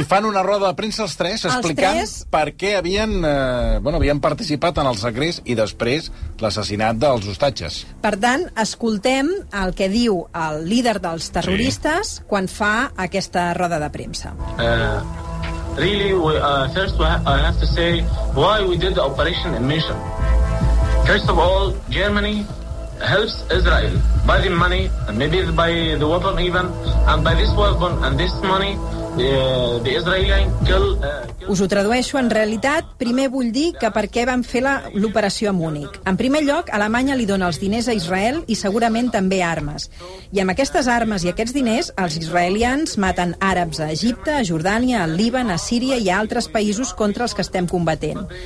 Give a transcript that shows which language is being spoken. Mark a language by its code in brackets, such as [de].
[ca] I fan una roda de premsa els tres explicant els tres... per què havien, havien participat en el segrest i després l'assassinat dels hostatges. Per tant, escoltem el que diu el líder dels terroristes sí. quan fa aquesta roda de premsa. [en] I have to say why we did the operation in mission. First of all, Germany helps Israel by the money, and maybe by the weapon even, and by this weapon and this money, the Israeli kill... [ca] Us ho tradueixo. En realitat, primer vull dir que per què van fer l'operació a Múnich. En primer lloc, Alemanya li dona els diners a Israel i segurament també armes. I amb aquestes armes i aquests diners, els israelians maten àrabs a Egipte, a Jordània, al Líban, a Síria i a altres països contra els que estem combatent.